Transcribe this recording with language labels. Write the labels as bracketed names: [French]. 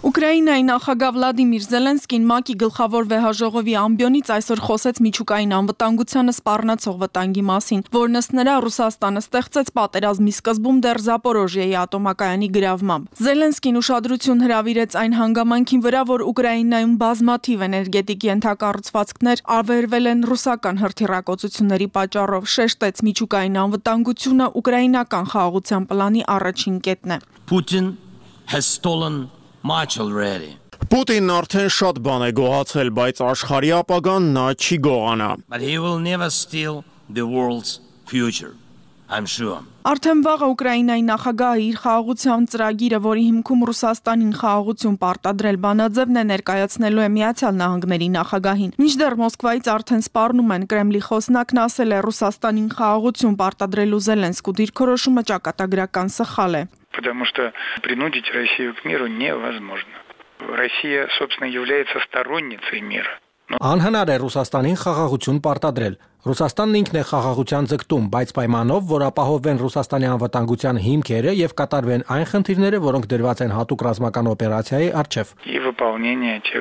[Armenian] Ուկրաինայի նախագահ Վլադիմիր Զելենսկին ՄԱԿ-ի գլխավոր վեհաժողովի ամբիոնից այսօր խոսեց միջուկային անվտանգությանը սպառնացող վտանգի մասին, որն ըստ նրա Ռուսաստանը ստեղծեց պատերազմի սկզբում դեռ Զապորոժիայի ատոմակայանի գրավմամբ։ Զելենսկին ուշադրություն հրավիրեց այն հանգամանքին վրա, որ Ուկրաինայում բազմաթիվ էներգետիկ ենթակառուցվածքներ արվել են ռուսական հրթիռակոծությունների պատճառով, շեշտեց միջուկային անվտանգությունը ուկրաինական խաղաղության պլանի առաջին կետն է։ [English] Putin has stolen much already. [Armenian] Պուտինն արդեն շատ բան է գողացել, բայց աշխարհի ապագան նա չի գողանա։ [English] But he will never steal the world's future. I'm sure. [Armenian] Արդեն վաղը Ուկրաինայի նախագահը իր խաղաղության ծրագիրը, որի հիմքում Ռուսաստանին խաղաղություն պարտադրել բանաձևն է, ներկայացնելու է Միացյալ Նահանգների նախագահին։ Մինչդեռ Մոսկվայից արդեն սպառնում են, Կրեմլի խոսնակն ասել է, Ռուսաստանին խաղաղություն պարտադրելու Զելենսկու դիրքորոշումը ճակատագրական սխալ է։ [Russian] Потому что принудить Россию к миру невозможно. Россия, собственно, является сторонницей мира. [Armenian] Անհնար է Ռուսաստանին խաղաղություն պարտադրել։ Ռուսաստանն ինքն է խաղաղության ձգտում, բայց պայմանով, որ ապահովեն Ռուսաստանի անվտանգության հիմքերը եւ կատարվեն այն խնդիրները, որոնք դրված են հատուկ ռազմական օպերացիայի առջեւ։